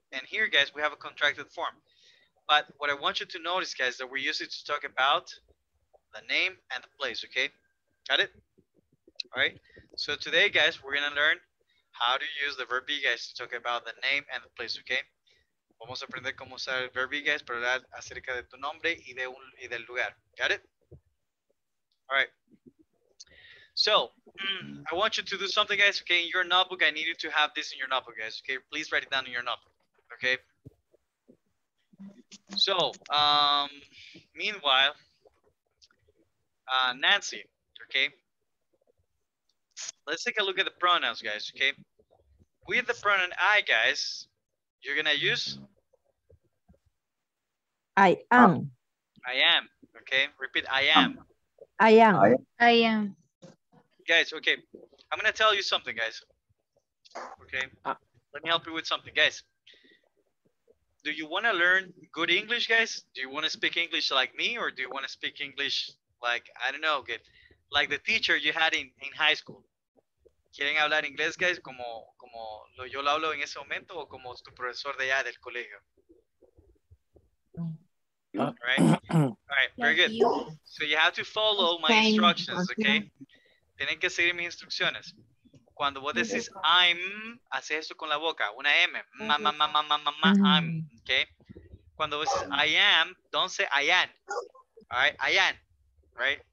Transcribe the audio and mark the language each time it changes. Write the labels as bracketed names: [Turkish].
[English] And here, guys, we have a contracted form. But what I want you to notice, guys, that we use it to talk about the name and the place, okay? Got it? All right. So today, guys, we're going to learn how to use the verb be, guys, to talk about the name and the place, okay? [Spanish] Vamos a aprender cómo usar el verb be, guys, para hablar acerca de tu nombre y del lugar. [English] Got it? All right. So I want you to do something, guys, okay? In your notebook, I need you to have this in your notebook, guys, okay? Please write it down in your notebook, okay? So meanwhile, Nancy, okay? Let's take a look at the pronouns, guys, okay? With the pronoun I, guys, you're gonna use? I am. I am, okay? Repeat, I am. I am. I am. Guys, okay, I'm gonna tell you something, guys. Okay, let me help you with something, guys. Do you wanna learn good English, guys? Do you wanna speak English like me, or do you wanna speak English like, I don't know, okay, like the teacher you had in high school? [Spanish] ¿Quieren hablar inglés, guys, como yo lo hablo en ese momento, o como tu profesor de allá del colegio? [English] All right, very good. So you have to follow my instructions, okay? [Spanish] Tienen que seguir mis instrucciones. Cuando vos decís I'm, haces esto con la boca, una M. Ma, ma, ma, ma, ma, ma, ma, I'm, okay? Cuando vos decís [English] I am, don't say I am. All right, I am, right?